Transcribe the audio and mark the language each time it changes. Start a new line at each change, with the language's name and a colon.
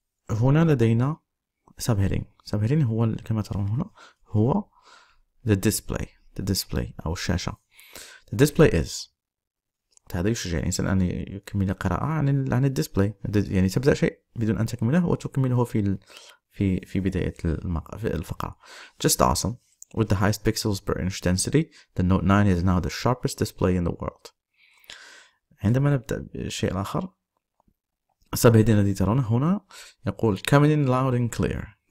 Arabic: هنا لدينا سبهيرين هو كما ترون هنا هو the display أو الشاشة.
English: The display is,
Arabic: هذا يشجع الإنسان أن يكمل قراءة عن الديسبلاي. يعني تبدأ شيء بدون أن تكمله وتكمله في بداية الفقرة.
English: Just awesome. With the highest pixels per inch density, the Note 9 is now the sharpest display in the world.
Arabic: عندما نبدأ بشيء آخر, السبهدين الذي ترونه هنا يقول
English: coming in loud and clear.